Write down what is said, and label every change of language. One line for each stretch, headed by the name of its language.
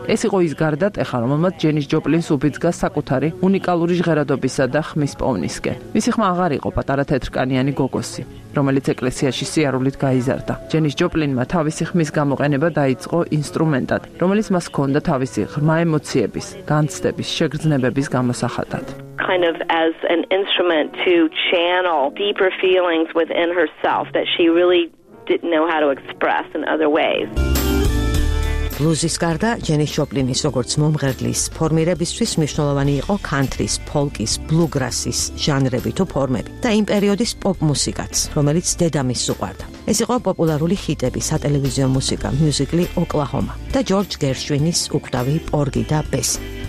Georgian: ეს იყო ის გარდა ტეხა, რომელმაც ჯენის ჯოპლინს უბიძგა საკუთარი უნიკალური ჟღერადობისა და ხმის პოვნისკენ. მისი ხმა აღარ იყო პატარა თეთრკანიანი გოგოსი, რომელიც ეკლესიაში სიარულით გაიზარდა. ჯენის ჯოპლინმა თავისი ხმის გამოყენება დაიწყო ინსტრუმენტად, რომელიც მას ჰქონდა თავისი ღრმა ემოციების, განცდების, შეგრძნებების გამოსახატად.
English: Kind of as an instrument to channel deeper feelings within herself that she really didn't know how to express in other ways.
Georgian: ბლუზის გარდა ჯენის ჯოპლინის როგორც მომღერლის ფორმირებისთვის მნიშვნელოვანი იყო კანტრის, ფოლკის, ბლუგრასის ჟანრები თუ ფორმები და იმ პერიოდის პოპ მუსიკაც, რომელიც დედამის უყვარდა. ეს იყო პოპულარული ჰიტები, სატელევიზიო მუსიკა, მიუზიკლი ოკლაჰომა და ჯორჯ გერშვინის უკვდავი პორგი და ბესი.